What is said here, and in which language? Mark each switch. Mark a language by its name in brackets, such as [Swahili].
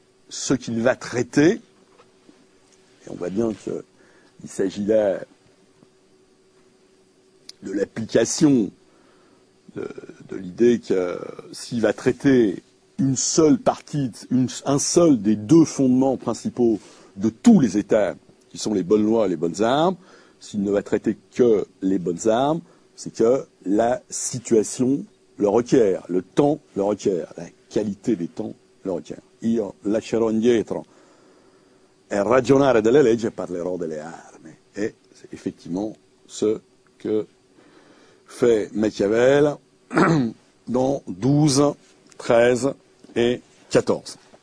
[French] ce qu'il va traiter, et on voit bien qu'il s'agit là de l'application de l'idée que s'il va traiter une seule partie, un seul des deux fondements principaux de tous les États, qui sont les bonnes lois et les bonnes armes, s'il ne va traiter que les bonnes armes, c'est que la situation le requiert, le temps le requiert, la qualité des temps le requiert. [Italian] Io lascerò indietro e ragionare delle leggi e parlerò delle armi. [French] Et c'est effectivement ce que fait Machiavel dans 12, 13 et 14.